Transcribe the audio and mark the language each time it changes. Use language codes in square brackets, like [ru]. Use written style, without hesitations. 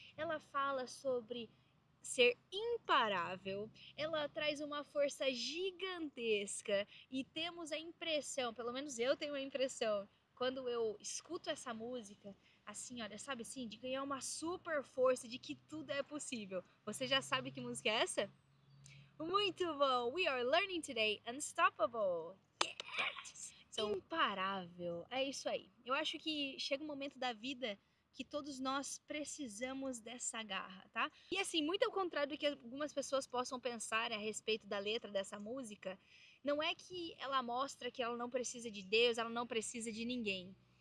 [pt] Ela fala sobre ser imparável, ela traz uma força gigantesca e temos a impressão, pelo menos eu tenho a impressão, quando eu escuto essa música, assim, olha, sabe assim, de ganhar uma super força, de que tudo é possível. Você já sabe que música é essa? Muito bom! [en] We are learning today, Unstoppable! Yes! [pt] So, imparável! É isso aí. Eu acho que chega um momento da vida que todos nós precisamos dessa garra, tá? E assim, muito ao contrário do que algumas pessoas possam pensar a respeito da letra dessa música, não é que ela mostra que ela não precisa de Deus, ela não precisa de ninguém.